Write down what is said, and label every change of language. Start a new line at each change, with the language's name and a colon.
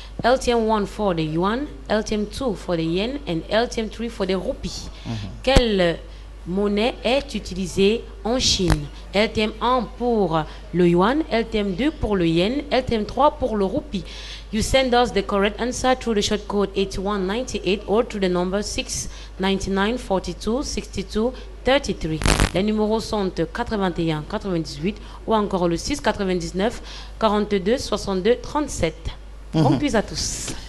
English: LTM1 for the yuan, LTM2 for the yen, and LTM3 for the rupee.
French: Mm-hmm. Quelle monnaie est utilisée en Chine? LTM1 pour le yuan, LTM2 pour le yen, LTM3 pour le rupee.
English: You send us the correct answer through the short code 8198 or through the number 699-42-62-33.
French: Les numéros sont 81-98 ou encore le 699-42-62-37. Mm-hmm. Bon plus à tous.